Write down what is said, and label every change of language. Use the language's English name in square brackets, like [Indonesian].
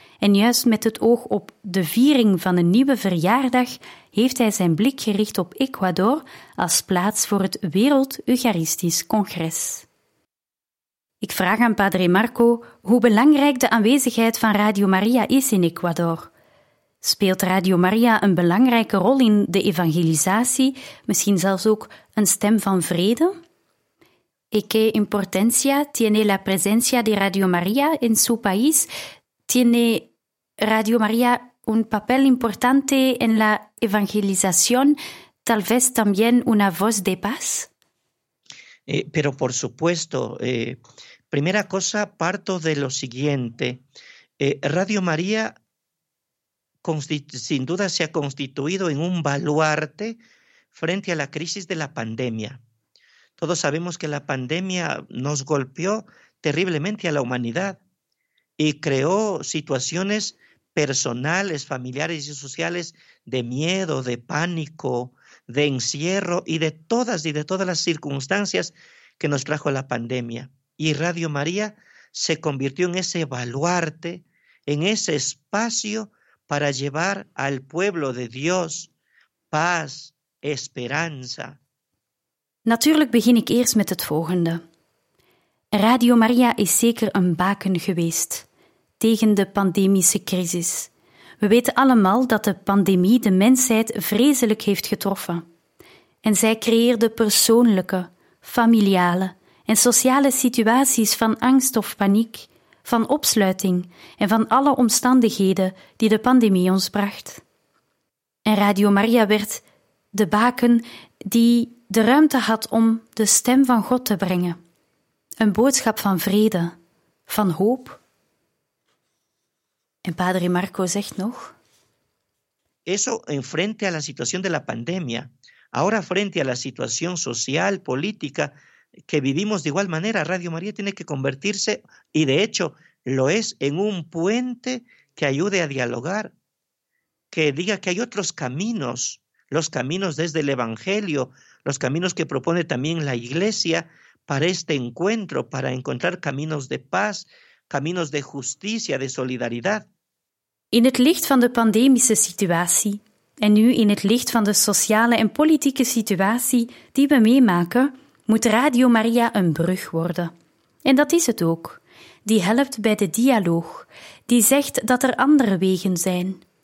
[Dutch] En juist met het oog op de viering van een nieuwe verjaardag heeft hij zijn blik gericht op Ecuador als plaats voor het Wereld Eucharistisch Congres. Ik vraag aan Padre Marco hoe belangrijk de aanwezigheid van Radio Maria is in Ecuador. Speelt Radio Maria een belangrijke rol in de evangelisatie, misschien zelfs ook een stem van vrede? [Spanish] ¿Qué importancia tiene la presencia de Radio María en su país? ¿Tiene Radio María un papel importante en la evangelización? ¿Tal vez también una voz de paz? Pero por supuesto, primera cosa, parto de lo siguiente. Radio María sin duda se ha constituido en un baluarte frente a la crisis de la pandemia. Todos sabemos que la pandemia nos golpeó terriblemente a la humanidad y creó situaciones personales, familiares y sociales de miedo, de pánico, de encierro y de todas las circunstancias que nos trajo la pandemia. Y Radio María se convirtió en ese baluarte, en ese espacio para llevar al pueblo de Dios paz, esperanza. [Dutch] Natuurlijk begin ik eerst met het volgende. Radio María is zeker een baken geweest tegen de pandemische crisis. We weten allemaal dat de pandemie de mensheid vreselijk heeft getroffen. En zij creëerde persoonlijke, familiale en sociale situaties van angst of paniek, van opsluiting en van alle omstandigheden die de pandemie ons bracht. En Radio María werd de baken die de ruimte had om de stem van God te brengen. Een boodschap van vrede, van hoop. En Padre Marco zegt nog... [Spanish] Eso en frente a la situación de la pandemia. Ahora frente a la situación social, política... que vivimos de igual manera, Radio María tiene que convertirse, y de hecho lo es, en un puente que ayude a dialogar, que diga que hay otros caminos, los caminos desde el Evangelio, los caminos que propone también la Iglesia para este encuentro, para encontrar caminos de paz, caminos de justicia, de solidaridad. [Dutch] In het licht van de pandemische situatie, en nu in het licht van de sociale en politieke situatie die we meemaken... moet Radio María een brug worden. En dat is het ook. Die helpt bij de dialoog. Die zegt dat er andere wegen zijn.